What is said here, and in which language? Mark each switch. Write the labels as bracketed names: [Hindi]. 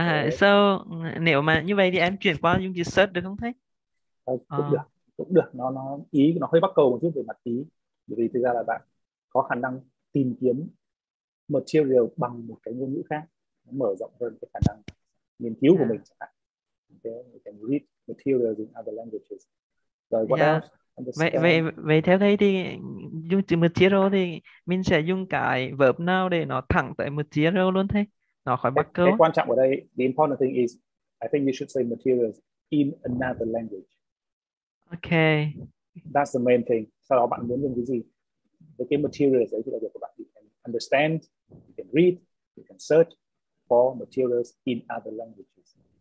[Vietnamese] So nếu mà như vậy thì em chuyển qua dùng chữ search được không thấy? Cũng được. Nó ý nó hơi bắt cầu một chút về mặt ý. Bởi vì thực ra là bạn có khả năng tìm kiếm material bằng một cái ngôn ngữ khác, nó mở rộng hơn cái khả năng nghiên cứu của mình chẳng hạn. [English] Okay, you can read materials in other languages. Rồi, what else? [Vietnamese] Vậy theo thầy thì dùng chữ material thì mình sẽ dùng cái verb nào để nó thẳng tới material luôn thế? Nó khỏi bắt câu. Cái quan trọng ở đây, [English] the important thing is, I think you should say materials in another language. Okay. That's the main thing. [Vietnamese] Sau đó bạn muốn dùng cái gì? Với cái materials đấy thì là việc của bạn. [English] You can understand, you can read, you can search for materials in other languages.